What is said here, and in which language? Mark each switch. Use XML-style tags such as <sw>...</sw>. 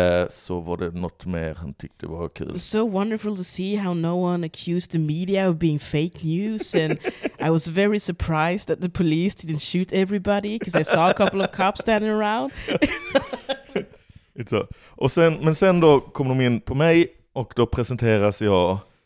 <sv>Så var det något mer han tyckte var kul.</sv> <en>It was so wonderful to see how no one accused the media of being fake news, and I was very surprised that the police didn't shoot everybody because I saw a couple of cops standing around. It's a,</en> <sv>och sen, men sen då kom de in på mig, och då presenteras jag.</sv>